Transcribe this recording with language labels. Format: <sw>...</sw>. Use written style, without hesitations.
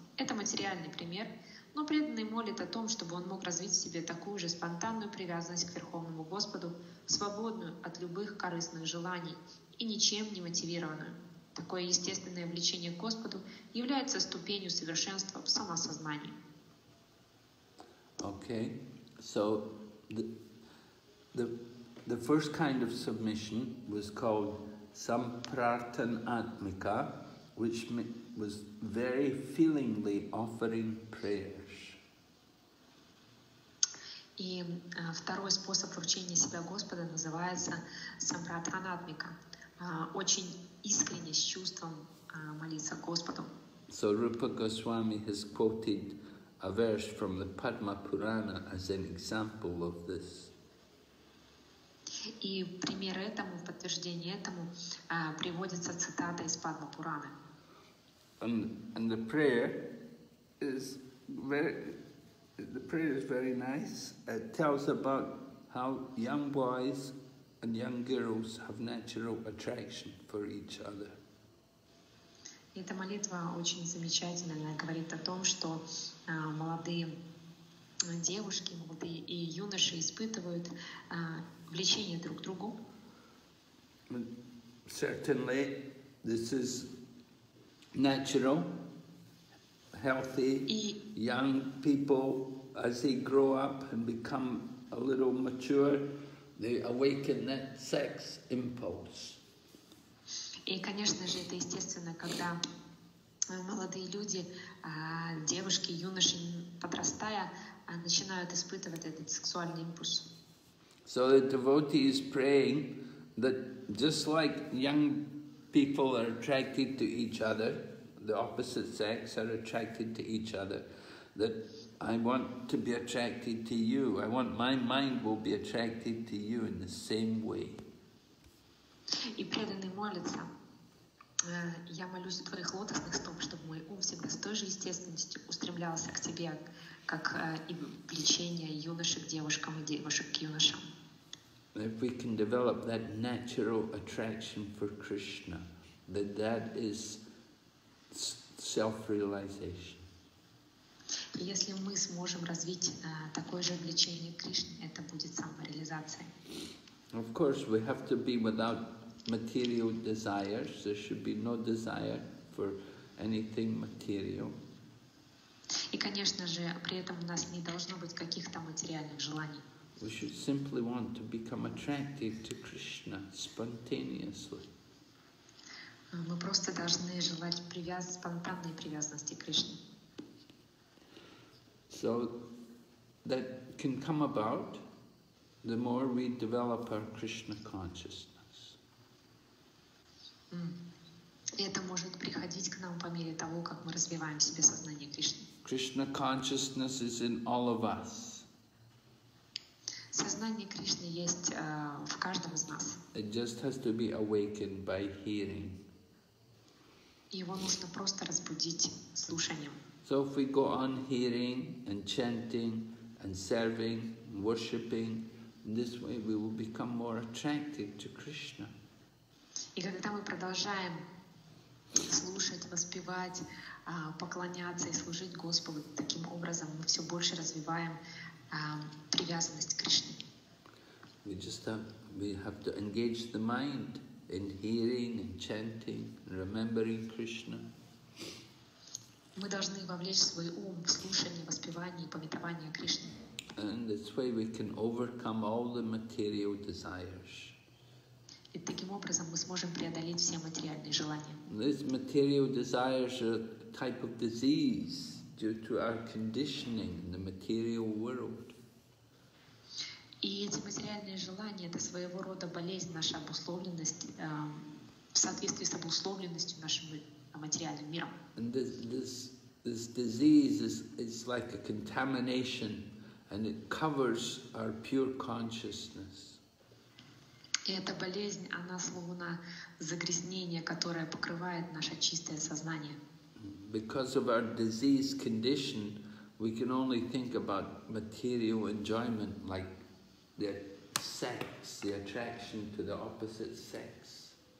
<ru>Это материальный пример, но преданный молит о том, чтобы он мог развить в себе такую же спонтанную привязанность к Верховному Господу, свободную от любых корыстных желаний и ничем не мотивированную. Такое естественное влечение к Господу является ступенью совершенства в самосознании.</ru> <en>Okay, so the first kind of submission was called Sampratanatmika, which was very feelingly offering prayers.</en> <ru>И второй способ вручения себя Господа называется Сампратанатмика. Очень искренне, с чувством молиться Господу.</ru> <en>So Rupa Goswami has quoted a verse from the Padma Purana as an example of this.</en> <ru>И пример этому, в подтверждение этому, приводится цитата из Падма Пураны.</ru> <en>And the prayer is very nice. It tells about how young boys and young girls have natural attraction for each other.</en> <ru>Эта молитва очень замечательная. Она говорит о том, что молодые девушки, молодые и юноши испытывают влечение друг к другу.</ru> <en>Certainly, this is natural. Healthy young people, as they grow up and become a little mature, they awaken that sex impulse.</en> <ru>И, конечно же, это естественно, когда молодые люди, девушки, юноши, подрастая, начинают испытывать этот сексуальный импульс.</ru> <en>So the devotee is praying that just like young people are attracted to each other, the opposite sex are attracted to each other, that I want to be attracted to you. I want my mind will be attracted to you in the same way.</en> <ru>И преданный молится, я молюсь у твоих лотосных стоп, чтобы мой ум всегда с той же естественностью устремлялся к тебе, как и влечение юноши к девушкам и девушек к юношам.</ru> <en>If we can develop that natural attraction for Krishna, that is self-realization.</en> <ru>Если мы сможем развить такое же влечение к Кришне, это будет самореализация.</ru> <en>Of course, we have to be without material desires. There should be no desire for anything material.</en> <ru>И, конечно же, при этом у нас не должно быть каких-то материальных желаний.</ru> <en>We should simply want to become attracted to Krishna spontaneously.</en> <ru>Мы просто должны желать спонтанной привязанности к Кришне.</ru> <en>So that can come about the more we develop our Krishna consciousness.</en> <ru>Это может приходить к нам по мере того, как мы развиваем в себе сознание Кришны.</ru> <en>Krishna consciousness is in all of us.</en> <ru>Сознание Кришны есть в каждом из нас.</ru> <en>It just has to be awakened by hearing.</en> <ru>Его нужно просто разбудить слушанием.</ru> <en>So if we go on hearing and chanting and serving, worshipping, this way we will become more attractive to Krishna.</en> <ru>И когда мы продолжаем слушать, воспевать, поклоняться и служить Господу, таким образом мы все больше развиваем привязанность к Кришне.</ru> <en>We just have to engage the mind in hearing and chanting and remembering Krishna.</en> <ru>Мы должны вовлечь свой ум в слушание, воспевание и памятование Кришны.</ru> <en>And this way we can overcome all the material desires.</en> <ru>И таким образом мы сможем преодолеть все материальные желания.</ru> <en>These material desires are a type of disease due to our conditioning in the material world.</en> <ru>И эти материальные желания — это своего рода болезнь, наша обусловленность, в соответствии с обусловленностью нашим материальным миром.</ru> <en>And this disease is like a contamination, and it covers our pure consciousness.</en> <ru>И эта болезнь, она словно загрязнение, которое покрывает наше чистое сознание.</ru> <en>Because of our disease condition, we can only think about material enjoyment, like the sex, the attraction to the opposite sex.</en>